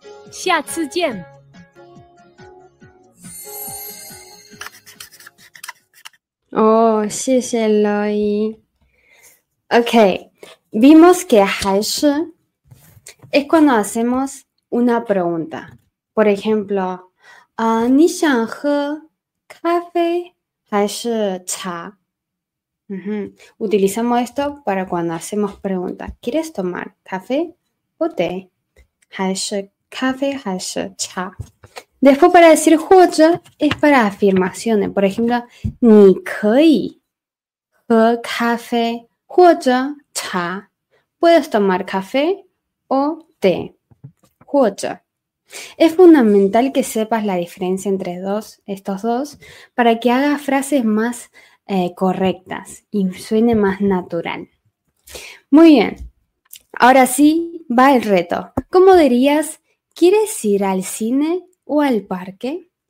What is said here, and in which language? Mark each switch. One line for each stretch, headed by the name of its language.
Chinese: 下次见！Oh, 谢谢 Loi.
Spanish: Ok, vimos que 还是 es cuando hacemos una pregunta. Por ejemplo,
Chinese: 你想喝咖啡还是茶?
Spanish: Utilizamos esto para cuando hacemos preguntas. ¿Quieres tomar café o té?
Chinese: 还是咖啡还是茶?
Spanish: Después para decir 或者 es para afirmaciones. Por ejemplo,
Chinese: 你可以喝咖啡或者茶
Spanish: puedes tomar café o té 或者 es fundamental que sepas la diferencia entre estos dos para que hagas frases más correctas y suene más natural muy bien ahora sí va el reto ¿cómo dirías quieres ir al cine o al parque?